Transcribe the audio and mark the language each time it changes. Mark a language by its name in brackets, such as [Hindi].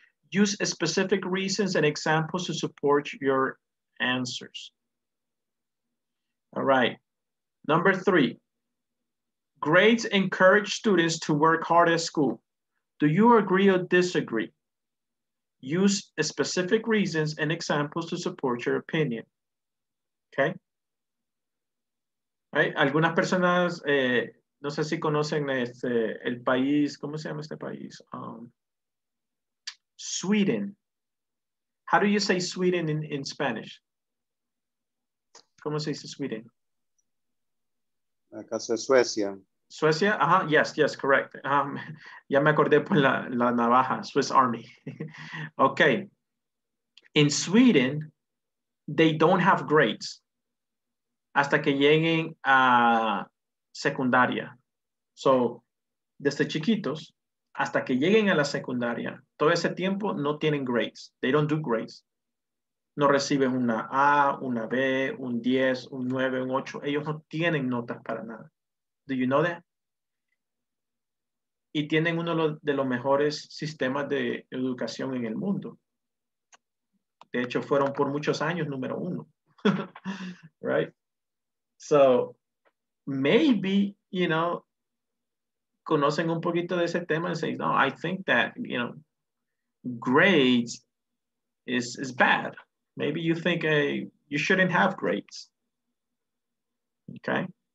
[English] Use specific reasons and examples to support your answers. All right. Number three, grades encourage students to work hard at school. Do you agree or disagree? Use specific reasons and examples to support your opinion. Okay. [Spanish] Hay algunas personas, no sé si conocen este, el país, ¿cómo se llama este país? [English] Sweden. How do you say Sweden in Spanish? [Spanish] ¿Cómo se dice Sweden? Acá se Suecia. Suecia, ajá, [English] yes, yes, correct. [Spanish] Ya me acordé por la navaja, Swiss Army. [English] Okay. In Sweden, they don't have grades [Spanish] hasta que lleguen a secundaria. [English] So, [Spanish] desde chiquitos hasta que lleguen a la secundaria, todo ese tiempo no tienen grades. [English] They don't do grades. [Spanish] No reciben una A, una B, un 10, un 9, un 8. Ellos no tienen notas para nada. [English] Do you know that? [Spanish] Y tienen uno de los mejores sistemas de educación en el mundo. De hecho, fueron por muchos años número uno. [English] Right? So, maybe, you know, [Spanish] conocen un poquito de ese tema [English] and say, no, I think that, you know, grades is bad. Maybe you think you shouldn't have grades. Okay?